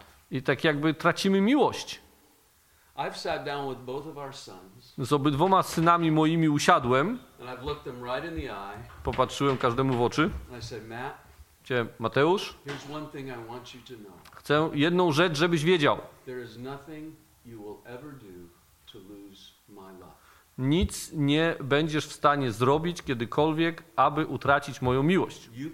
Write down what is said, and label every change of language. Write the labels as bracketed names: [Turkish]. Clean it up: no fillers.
[Polish] I tak jakby tracimy miłość. [English] I've sat down with both of our sons. [Polish] Z obydwoma synami moimi usiadłem. [English] And I've looked them right in the eye. [Polish] Popatrzyłem każdemu w oczy. [English] And I said, Matt, [Polish] Mateusz, [English] here's one thing I want you to know. [Polish] Chcę jedną rzecz, żebyś wiedział. [English] There is nothing you will ever do to lose my love. [Polish] Nic nie będziesz w stanie zrobić kiedykolwiek, aby utracić moją miłość.